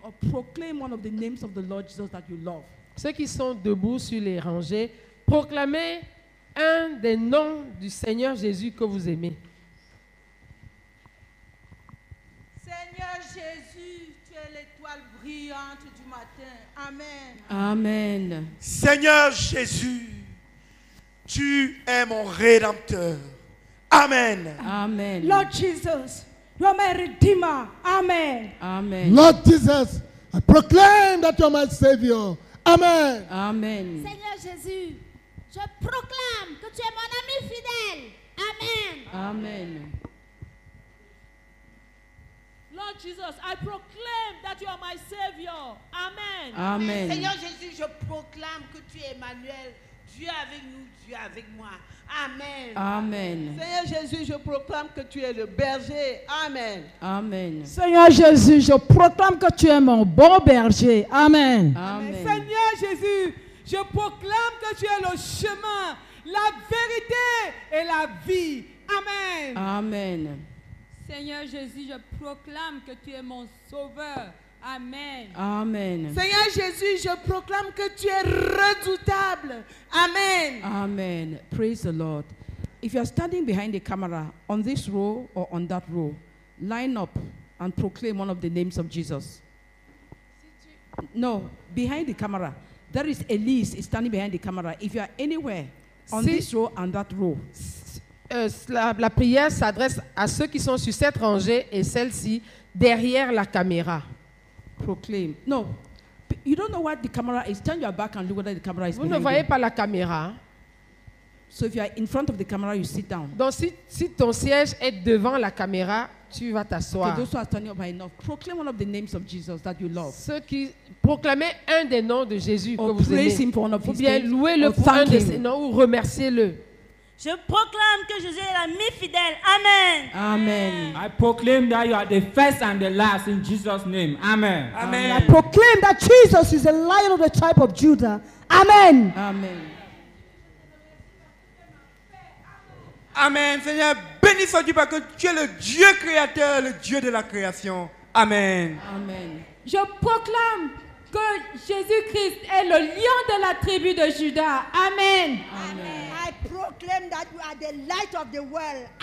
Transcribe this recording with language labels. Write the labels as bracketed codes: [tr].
[en] Proclaim one of the names of the Lord Jesus that you love. [fr] Ceux qui sont debout sur les rangées, proclamez un des noms du Seigneur Jésus que vous aimez. Seigneur Jésus, tu es l'étoile brillante du matin. Amen. Amen. Seigneur Jésus, tu es mon rédempteur. Amen. Amen. [en] Lord Jesus, you are my redeemer. Amen. Amen. Lord Jesus, I proclaim that you are my Savior. Amen. Amen. [fr] Seigneur Jésus, je proclame que tu es mon ami fidèle. Amen. Amen. [en] Lord Jesus, I proclaim that you are my Savior. Amen. Amen. [fr] Seigneur Jésus, je proclame que tu es Emmanuel. Dieu avec nous, Dieu avec moi. Amen. Amen. Seigneur Jésus, je proclame que tu es le berger. Amen. Amen. Seigneur Jésus, je proclame que tu es mon bon berger. Amen. Amen. Seigneur Jésus, je proclame que tu es le chemin, la vérité et la vie. Amen. Amen. Seigneur Jésus, je proclame que tu es mon sauveur. Amen. Amen. Seigneur Jésus, je proclame que tu es redoutable. Amen. [en] Amen. Praise the Lord. If you are standing behind the camera, on this row or on that row, line up and proclaim one of the names of Jesus. No, behind the camera. There is Elise standing behind the camera. If you are anywhere, on this row and that row. [fr] La prière s'adresse à ceux qui sont sur cette rangée et celle-ci derrière la caméra. [en] proclaim. No, you don't know what the camera is. Turn your back and look whether the camera is. [fr] Vous ne voyez pas la caméra. [en] So if you are in front of the camera, you sit down. [fr] Donc si ton siège est devant la caméra, tu vas t'asseoir. [en] Okay, those who are standing up are enough. Proclaim one of the names of Jesus that you love. [fr] Ceux qui proclamaient un des noms de Jésus [en] or [fr] que vous aimez. [en] Praise him for one of [fr] ou bien louez-le pour un de ses noms ou remerciez-le. Je proclame que Jésus est l'ami fidèle. Amen. Amen. [en] I proclaim that you are the first and the last in Jesus' name. Amen. Amen. Amen. I proclaim that Jesus is the lion of the tribe of Judah. Amen. Amen. Amen. [fr] Seigneur, béni sois-tu parce que tu es le Dieu créateur, le Dieu de la création. Amen. Amen. Je proclame que Jésus-Christ est le lion de la tribu de Judas. Amen. Amen. [en] Amen. I proclaim that you are the light of the world.